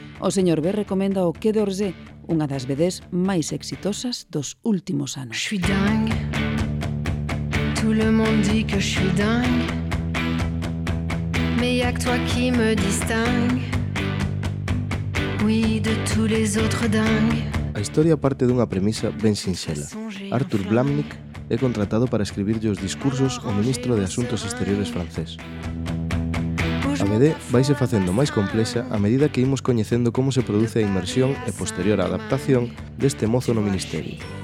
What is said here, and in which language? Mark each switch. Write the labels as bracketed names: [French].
[Galician] O señor B recomenda o Quai d'Orsay, unha das BDs máis exitosas dos últimos anos. [French] Je suis dingue. Tout le monde dit que je suis dingue. Mais y a que toi qui me distingue. Oui, de tous les autres dingues. [Galician] A historia parte dunha premisa ben sinxela. Arthur Blamnik é contratado para escribirlle os discursos ao ministro de Asuntos Exteriores francés. A BD vaise facendo máis complexa a medida que imos coñecendo como se produce a inmersión e posterior a adaptación deste mozo no ministerio.